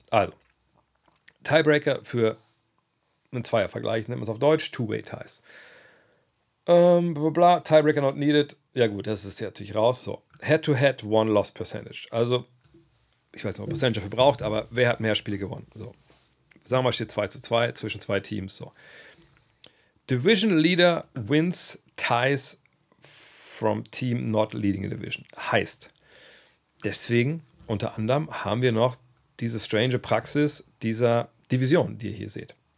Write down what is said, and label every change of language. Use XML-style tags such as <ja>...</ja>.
<de>Also, Tiebreaker für einen Zweiervergleich, nennt man es auf Deutsch, Two-Way Ties.</de> <en>Tiebreaker not needed.</en> <de>Ja gut, das ist ja natürlich raus. So, Head-to-Head, One-Loss Percentage. Also, ich weiß nicht, ob Percentage dafür braucht, aber wer hat mehr Spiele gewonnen? So, sagen wir, steht 2-2 zwischen zwei Teams.</de> <en>So, Division Leader wins ties from Team not leading a division.</en> <de>Heißt, deswegen, unter anderem, haben wir noch diese strange Praxis dieser Division, die ihr hier seht.</de>